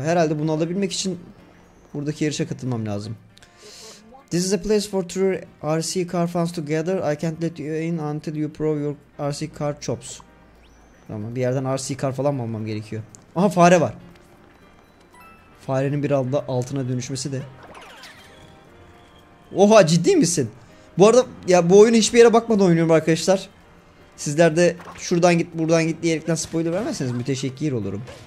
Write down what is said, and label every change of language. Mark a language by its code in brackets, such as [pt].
[tr] Herhalde bunu alabilmek için buradaki yarışa katılmam lazım. [en] This is a place for true RC car fans to gather. I can't let you in until you prove your RC car chops. [tr] Tamam, bir yerden RC car falan mı almam gerekiyor? Aha, fare var. Farenin bir anda altına dönüşmesi de. Oha, ciddi misin? Bu arada ya, bu oyunu hiçbir yere bakmadan oynuyorum arkadaşlar. Sizler de şuradan git buradan git diyerekten spoiler vermezseniz müteşekkir olurum.